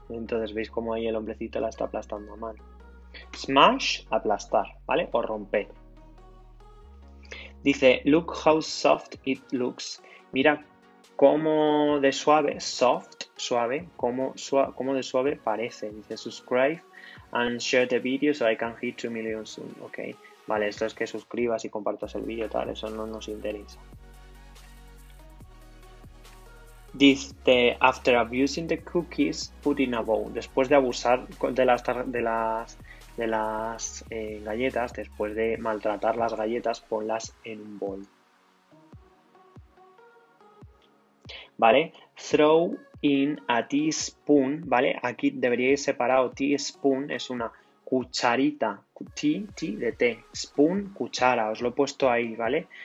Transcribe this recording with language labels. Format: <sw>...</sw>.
<es>Entonces veis cómo ahí el hombrecito la está aplastando a mano. Smash, aplastar, ¿vale? O romper. Dice,</es> <en>look how soft it looks.</en> <es>Mira cómo de suave, soft, suave, cómo de suave parece.</es> <en>Dice, subscribe and share the video so I can hit 2 million soon.</en> <es>Ok, vale, esto es que suscribas y compartas el vídeo, tal, eso no nos interesa.</es> <en>Dice, after abusing the cookies, put in a bowl.</en> <es>Después de abusar de las galletas, después de maltratar las galletas, ponlas en un bol.</es> <en>¿Vale? Throw in a teaspoon, ¿vale?</en> <es>Aquí deberíais separar teaspoon, es una cucharita, tea de té, spoon, cuchara, os lo he puesto ahí, ¿vale?</es>